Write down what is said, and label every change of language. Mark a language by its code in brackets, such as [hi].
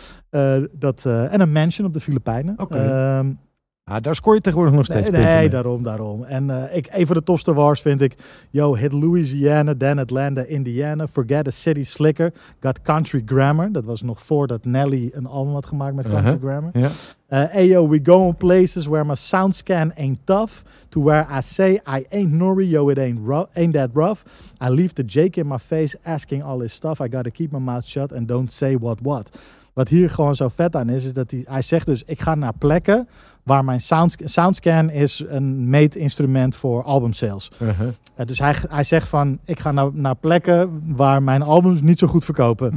[nl] En een mansion op de Filipijnen. [en] Okay. [nl] Daar scoor je tegenwoordig nog steeds punten. Nee, daarom. En een van de tofste wars vind ik. [en] Yo, hit Louisiana, then Atlanta, Indiana. Forget a city slicker. Got country grammar. [nl] Dat was nog voordat Nelly een album had gemaakt met country grammar. Ja. [en] Ayo, we go on places where my sound scan ain't tough. To where I say I ain't Norrie, yo, it ain't that rough. I leave the Jake in my face asking all his stuff. I gotta keep my mouth shut and don't say what. [nl] Wat hier gewoon zo vet aan is dat hij zegt dus, ik ga naar plekken waar mijn soundscan is een meetinstrument voor album sales. Uh-huh. Dus hij zegt van, ik ga naar plekken waar mijn albums niet zo goed verkopen.